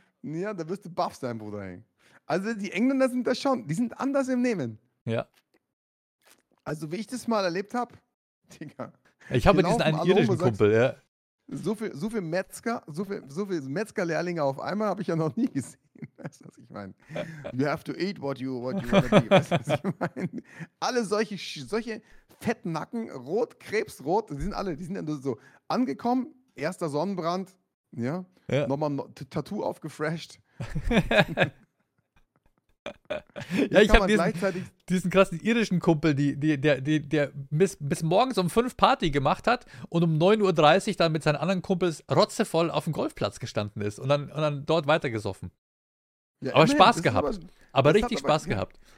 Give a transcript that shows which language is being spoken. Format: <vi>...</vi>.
<de>Ja, da wirst du baff sein, Bruder. Also die Engländer sind da schon, die sind anders im Nehmen. Ja. Also wie ich das mal erlebt habe, Digga. Ich habe diesen einen irischen Kumpel, ja. So viel Metzgerlehrlinge auf einmal habe ich ja noch nie gesehen. Weißt du, was ich meine?</de> <en>You have to eat what you want to eat.</en> <de>Weißt du, was ich meine? Alle solche Fettnacken, rot, krebsrot, die sind ja nur so angekommen, erster Sonnenbrand, ja, nochmal Tattoo aufgefresht. Ja, ich habe diesen krassen irischen Kumpel, der bis morgens um 5 Party gemacht hat und um 9.30 Uhr dann mit seinen anderen Kumpels rotzevoll auf dem Golfplatz gestanden ist und dann dort weitergesoffen. Ja, aber Spaß gehabt. Aber richtig Spaß gehabt.</de>